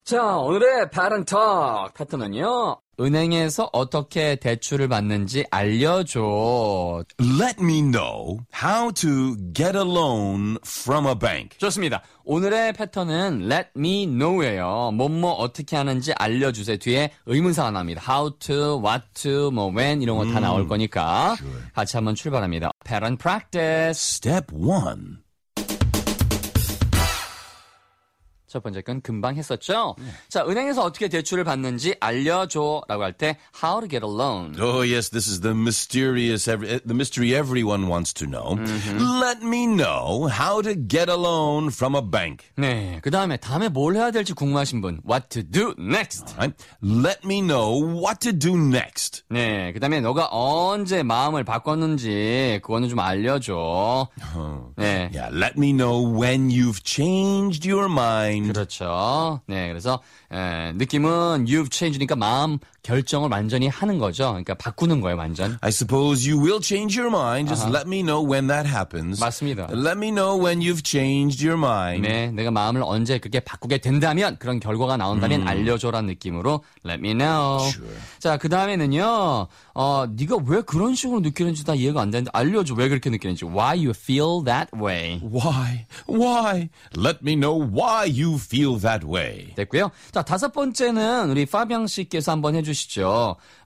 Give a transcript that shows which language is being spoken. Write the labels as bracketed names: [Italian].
[Korean] 자, 오늘의 바른톡 패턴은요. 은행에서 어떻게 대출을 받는지 알려줘. [English] Let me know how to get a loan from a bank. [Korean] 좋습니다. 오늘의 패턴은 [English] let me know [Korean] 예요. 뭐뭐 어떻게 하는지 알려주세요. 뒤에 의문사 하나입니다. [English] How to, what to, [Korean] 뭐 when 이런 거 다 나올 거니까 [English] sure. [Korean] 같이 한번 출발합니다. [English] Pattern practice. Step 1. [Korean] 첫 번째 건 금방 했었죠? 자, 은행에서 어떻게 대출을 받는지 알려줘 라고 할 때 [English] How to get a loan. Oh, yes, this is the mystery everyone wants to know. Mm-hmm. Let me know how to get a loan from a bank. [Korean] 네, 그 다음에 뭘 해야 될지 궁금하신 분 [English] What to do next. All right. Let me know what to do next. [Korean] 네, 그 다음에 너가 언제 마음을 바꿨는지 그거는 좀 알려줘. Oh. 네. [English] Yeah, let me know when you've changed your mind. [Korean] 그렇죠. 네, 그래서 예, 느낌은 [English] you've changed [Korean] 니까 마음 결정을 완전히 하는 거죠. 그러니까 바꾸는 거예요, 완전. [English] I suppose you will change your mind. Just let me know when that happens. [Korean] 맞습니다. [English] Let me know when you've changed your mind. [Korean] 네, 내가 마음을 언제 그렇게 바꾸게 된다면 그런 결과가 나온다면 알려줘라는 느낌으로 [English] let me know. Sure. [Korean] 자, 그 다음에는요. 네가 왜 그런 식으로 느끼는지 다 이해가 안 되는데 알려줘 왜 그렇게 느끼는지. [English] Why you feel that way? Why? Why? Let me know why you feel that way. [Korean] 됐고요. 자, 다섯 번째는 우리 파병 씨께서 한번 해주시죠.